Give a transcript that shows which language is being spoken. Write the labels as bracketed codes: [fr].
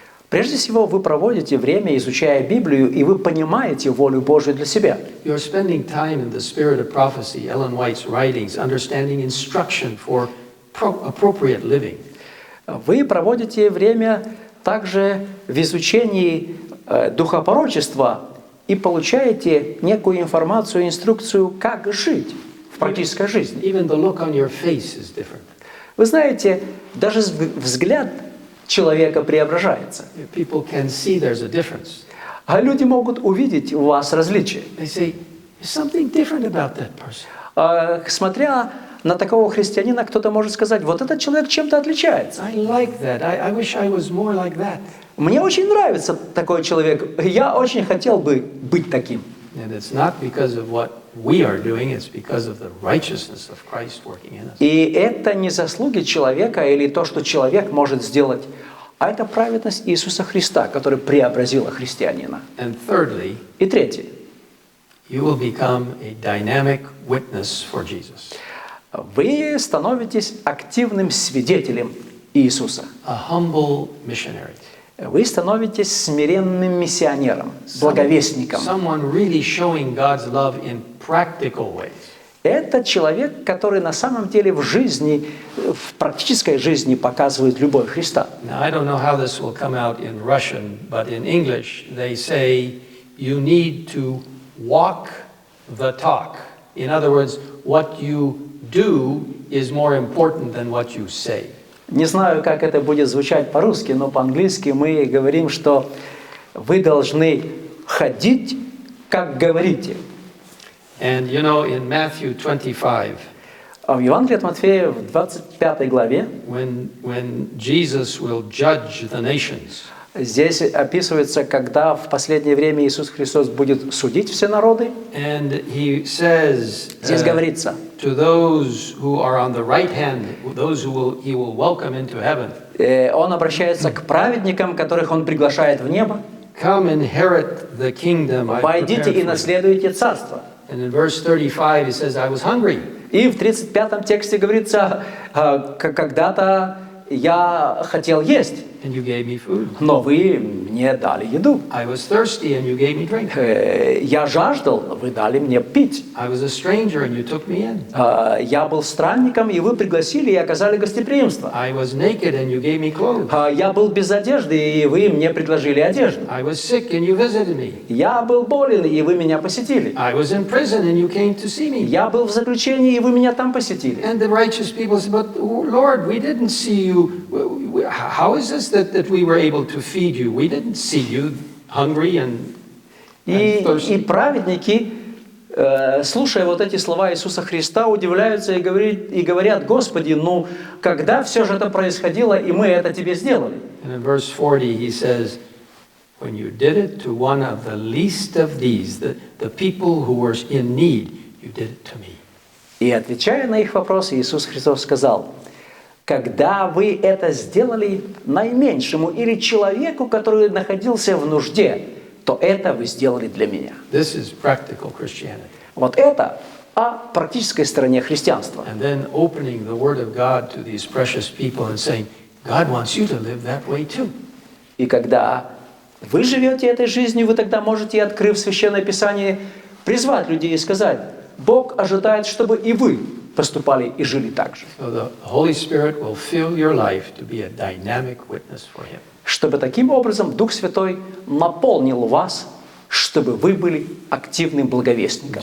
[ru] Прежде всего, вы проводите время, изучая Библию, и вы понимаете волю Божию для себя. [en] You're spending time in the spirit of prophecy, Ellen White's writings, understanding instruction for appropriate living. [ru] Вы проводите время также в изучении духопророчества и получаете некую информацию, инструкцию, как жить. Практическая жизнь. [en] Even the look on your face is different. [ru] Вы знаете, даже взгляд человека преображается. [en] People can see there's a difference. [ru] А люди могут увидеть у вас различия. [en] They say, there's something different about that person. [ru] Смотря на такого христианина, кто-то может сказать, вот этот человек чем-то отличается. [en] I like that. I wish I was more like that. [ru] Мне очень нравится такой человек. Я очень хотел бы быть таким. [en] And it's not because of what we are doing, it's because of the righteousness of Christ working in us. [ru] И это не заслуги человека или то, что человек может сделать, а это праведность Иисуса Христа, который преобразила христианина. [en] And thirdly, [ru] и третье, [en] you will become a dynamic witness for Jesus. [ru] Вы становитесь активным свидетелем Иисуса. [en] A humble missionary. [ru] Вы становитесь смиренным миссионером, благовестником. [en] Someone really showing God's love in practical ways. [ru] Это человек, который на самом деле в жизни, в практической жизни показывает любовь Христа. [en] Now, I don't know how this will come out in Russian, but in English they say you need to walk the talk. In other words, what you do is more important than what you say. [ru] Не знаю, как это будет звучать по-русски, но по-английски мы говорим, что вы должны ходить, как говорите. [en] And you know, in Matthew 25, [ru] а в Евангелии от Матфея, в 25 главе, [en] when Jesus will judge the nations, [ru] здесь описывается, когда в последнее время Иисус Христос будет судить все народы. [en] And he says, [ru] здесь говорится, [en] to those who are on the right hand, those who will, he will welcome into heaven. [ru] Он обращается к праведникам, которых он приглашает в небо. [en] Come inherit the kingdom. [ru] Войдите и наследуйте царство. [en] And in verse 35, he says, I was hungry. [ru] И в 35 тексте говорится, когда-то я хотел есть. [en] And you gave me food. [ru] Но вы мне дали еду. [en] I was thirsty and you gave me drink. [ru] Я жаждал, вы дали мне пить. [en] I was a stranger and you took me in. [ru] Я был странником, и вы пригласили и оказали гостеприимство. [en] I was naked and you gave me clothes. [ru] Я был без одежды, и вы мне предложили одежду. [en] I was sick and you visited me. [ru] Я был болен, и вы меня посетили. [en] I was in prison and you came to see me. [ru] Я был в заключении, и вы меня там посетили. [en] And the righteous people said, but Lord, we didn't see you. How is this that we were able to feed you? We didn't see you hungry and thirsty. [ru] И праведники, слушая вот эти слова Иисуса Христа, удивляются и говорят: Господи, ну когда все же это происходило и мы это тебе сделали? [en] And in verse 40 he says, when you did it to one of the least of these, the people who were in need, you did it to me. [ru] И отвечая на их вопросы, Иисус Христос сказал: когда вы это сделали наименьшему или человеку, который находился в нужде, то это вы сделали для меня. [en] This is practical Christianity. [ru] Вот это о практической стороне христианства. [en] And then opening the word of God to these precious people and saying, God wants you to live that way too. [ru] И когда вы живете этой жизнью, вы тогда можете, открыв Священное Писание, призвать людей и сказать: Бог ожидает, чтобы и вы поступали и жили так же. [en] So the Holy Spirit will fill your life to be a dynamic witness for Him. [ru] Чтобы таким образом Дух Святой наполнил вас, чтобы вы были активным благовестником.